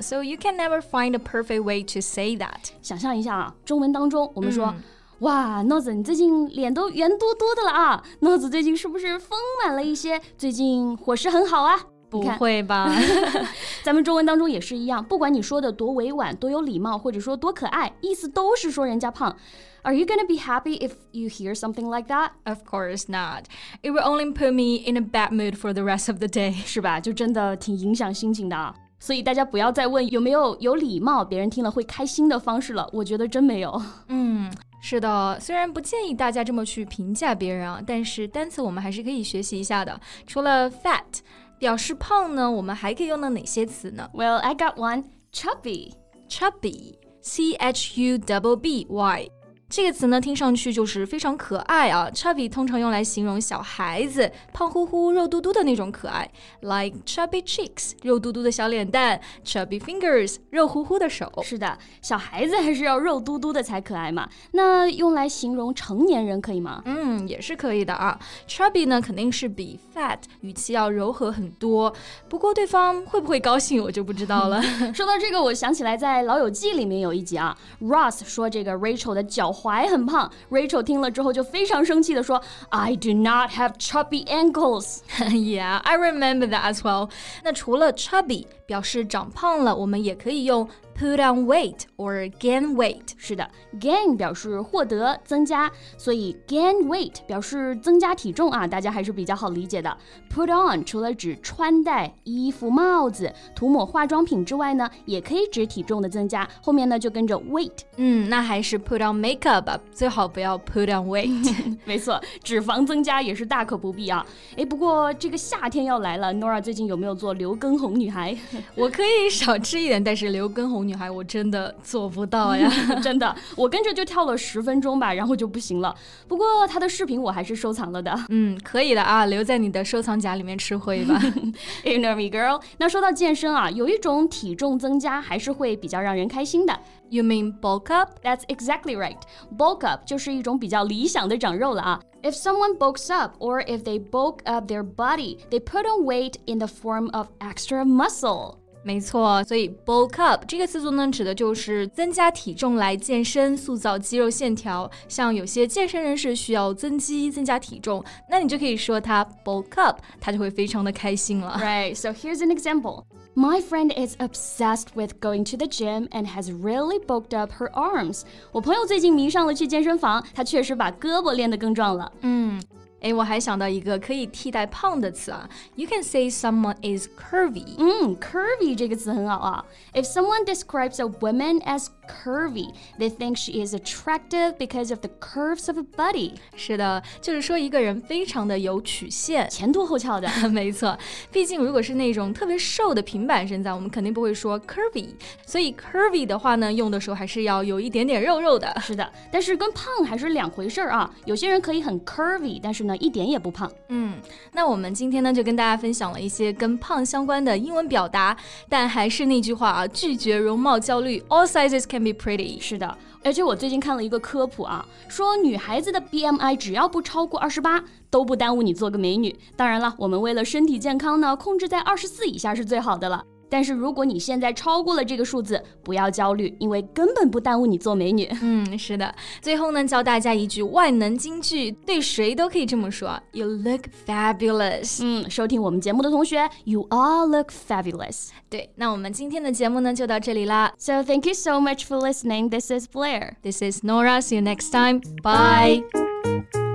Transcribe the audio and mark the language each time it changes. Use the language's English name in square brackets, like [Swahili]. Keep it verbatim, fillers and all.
[English] So you can never find a perfect way to say that. [Chinese] 想象一下啊，中文当中我们说、嗯哇，诺子你最近脸都圆嘟嘟的了啊，诺子最近是不是丰满了一些，最近伙食很好啊？不会吧咱们中文当中也是一样，不管你说的多委婉，多有礼貌，或者说多可爱，意思都是说人家胖。 [English] Are you gonna be happy if you hear something like that? Of course not. It will only put me in a bad mood for the rest of the day. [Chinese] 是吧，就真的挺影响心情的啊。所以大家不要再问有没有有礼貌，别人听了会开心的方式了，我觉得真没有。嗯，是的，虽然不建议大家这么去评价别人啊，但是单词我们还是可以学习一下的。除了 fat 表示胖呢，我们还可以用到哪些词呢？ [English] Well, I got one. Chubby. Chubby. C H U B B Y。 [Chinese] 这个词呢，听上去就是非常可爱啊。Chubby 通常用来形容小孩子胖乎乎、肉嘟嘟的那种可爱 ， [English] like chubby cheeks， [Chinese] 肉嘟嘟的小脸蛋 ； [English] chubby fingers， [Chinese] 肉乎乎的手。是的，小孩子还是要肉嘟嘟的才可爱嘛。那用来形容成年人可以吗？嗯，也是可以的啊。 Chubby 呢，肯定是比 fat 语气要柔和很多。不过对方会不会高兴，我就不知道了。说到这个，我想起来在《老友记》里面有一集啊 ，Ross 说这个 Rachel 的脚踝很胖 ，Rachel 听了之后就非常生气地说 [English] I do not have chubby ankles. Yeah, I remember that as well. [Chinese] 那除了 chubby 表示长胖了，我们也可以用 [English] put on weight or gain weight. [Chinese] 是的 ，gain 表示获得、增加，所以 gain weight 表示增加体重啊，大家还是比较好理解的。 Put on 除了指穿戴、衣服、帽子、涂抹化妆品之外呢，也可以指体重的增加，后面呢就跟着 weight。嗯，那还是 [English] put on makeup。 [Chinese] 最好不要 [English] put on weight [Chinese] 没错，脂肪增加也是大可不必啊。不过这个夏天要来了， Nora 最近有没有做刘畊宏女孩我可以少吃一点，但是留跟红女孩我真的做不到呀。真的，我跟着就跳了十分钟吧，然后就不行了。不过她的视频我还是收藏了的。嗯，可以的啊，留在你的收藏夹里面吃灰吧。 [English] You know me, girl. [Chinese] 那说到健身啊，有一种体重增加还是会比较让人开心的。 [English] You mean bulk up? That's exactly right. [Chinese] Bulk up 就是一种比较理想的长肉了啊。 [English] If someone bulks up or if they bulk up their body, they put on weight in the form of extra muscle. [Chinese] 没错，所以 bulk up 这个词组呢，指的就是增加体重来健身、塑造肌肉线条。像有些健身人士需要增肌、增加体重，那你就可以说他 bulk up， 他就会非常的开心了。 [English] Right, so here's an example. My friend is obsessed with going to the gym and has really bulked up her arms. [Chinese] 我朋友最近迷上了去健身房，她确实把胳膊练得更壮了。嗯，诶，我还想到一个可以替代胖的词啊。 [English] You can say someone is curvy. [Chinese] 嗯 curvy 这个词很好啊。 [English] If someone describes a woman as curvy, they think she is attractive because of the curves of her body. [Chinese] 是的，就是说一个人非常的有曲线，前凸后翘的。没错，毕竟如果是那种特别瘦的平板身材，我们肯定不会说 curvy。所以 curvy 的话呢，用的时候还是要有一点点肉肉的。是的，但是跟胖还是两回事啊。有些人可以很 curvy， 但是呢一点也不胖。嗯，那我们今天呢就跟大家分享了一些跟胖相关的英文表达，但还是那句话啊，拒绝容貌焦虑 ， [English] all sizes can be pretty。 [Chinese] 是的，而且我最近看了一个科普啊，说女孩子的 B M I 只要不超过二十八，都不耽误你做个美女。当然了，我们为了身体健康呢，控制在二十四以下是最好的了。但是如果你现在超过了这个数字，不要焦虑，因为根本不耽误你做美女。嗯，是的。最后呢，教大家一句万能金句，对谁都可以这么说 ： [English] You look fabulous。 [Chinese] 嗯，收听我们节目的同学 ， [English] You all look fabulous。 [Chinese] 对，那我们今天的节目呢就到这里啦。 [English] So thank you so much for listening. This is Blair. This is Nora. See you next time. Bye. Bye.